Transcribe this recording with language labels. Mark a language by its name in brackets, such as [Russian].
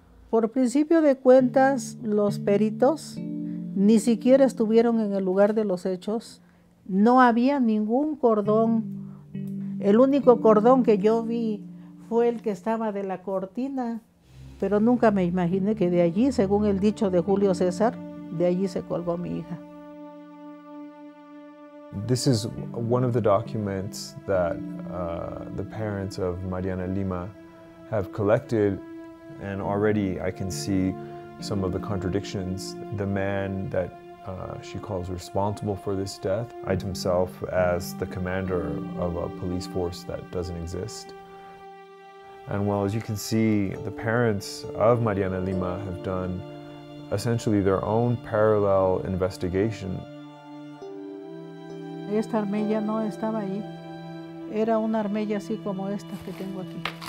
[Spanish] Por principio de cuentas, los peritos ni siquiera estuvieron en el lugar de los hechos. No había ningún cordón. El único cordón que yo vi fue el que estaba de la cortina. Pero nunca me imaginé que de allí, según el dicho de Julio César, de allí se colgó mi hija. [English] This is one of the documents that the parents of Mariana Lima have collected, and already I can see some of the contradictions. The man that she calls responsible for this death identifies himself as the commander of a police force that doesn't exist. And well, as you can see, the parents of Mariana Lima have done essentially their own parallel investigation. [Spanish] Esta armilla no estaba ahí. Era una armella así como esta que tengo aquí.